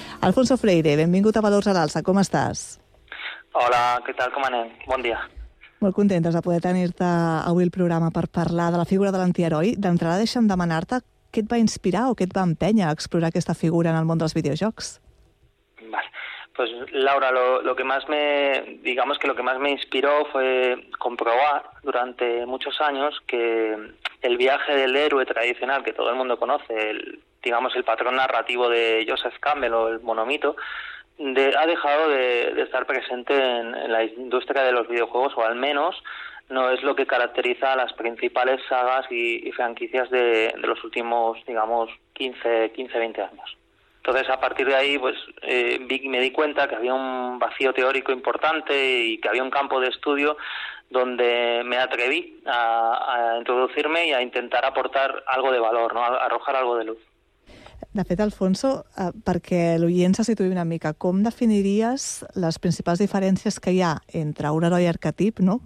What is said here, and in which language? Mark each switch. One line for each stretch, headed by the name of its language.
Catalan: Alfonso Freire, benvingut a Valors a l'Alça. Com estàs? Hola, què tal? Com anem? Bon dia. Molt contentes de poder tenir-te avui el programa per parlar de la figura de l'antiheroi. D'entrada, deixa'm demanar-te què et va inspirar o què et va empènyer a explorar aquesta figura en el món dels videojocs.
Spanish: Vale. Pues, Laura, lo que más me inspiró fue comprobar durante muchos años que el viaje del héroe tradicional que todo el mundo conoce, el patrón narrativo de Joseph Campbell o el monomito, ha dejado de estar presente en la industria de los videojuegos, o al menos no es lo que caracteriza a las principales sagas y franquicias de los últimos, 15-20 años. Entonces, a partir de ahí, me di cuenta que había un vacío teórico importante y que había un campo de estudio donde me atreví a introducirme y a intentar aportar algo de valor, ¿no? Arrojar algo de luz.
Catalan: De fet, Alfonso, perquè l'oient se situï una mica, com definiries les principals diferències que hi ha entre un heroi arquetip, no?